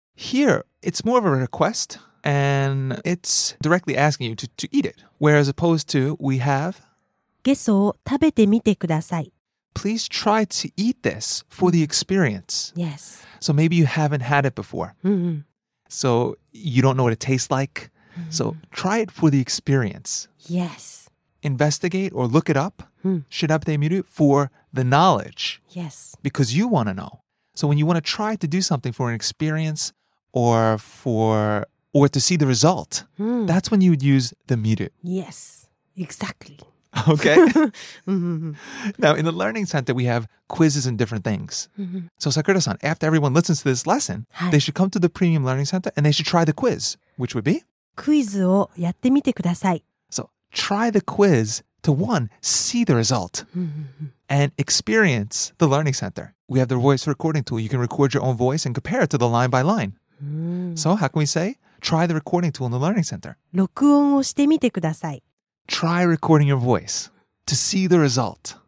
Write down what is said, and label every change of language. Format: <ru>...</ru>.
<en>Here, it's more of a request and it's directly asking you to eat it. Whereas opposed to we have</en> <ja>ゲソを食べてみてください.</ja> <en>Please try to eat this for the experience. Yes. So maybe you haven't had it before. Mm-hmm. So you don't know what it tastes like. Mm-hmm. So try it for the experience. Yes. Investigate or look it up. Shirabete miru for the knowledge. Yes. Because you want to know. So when you want to try to do something for an experience or to see the result, that's when you would use the miru. Yes, exactly. Okay. Now, in the learning center, we have quizzes and different things. So, Sakura-san, after everyone listens to this lesson, they should come to the Premium Learning Center and they should try the quiz, which would be?</en> <ja>クイズをやってみてください.</ja> <en>So, try the quiz to, one, see the result and experience the learning center. We have the voice recording tool. You can record your own voice and compare it to the line by line. So, how can we say, try the recording tool in the learning center?</en> <ja>録音をしてみてください.</ja> <en>Try recording your voice to see the result.</en>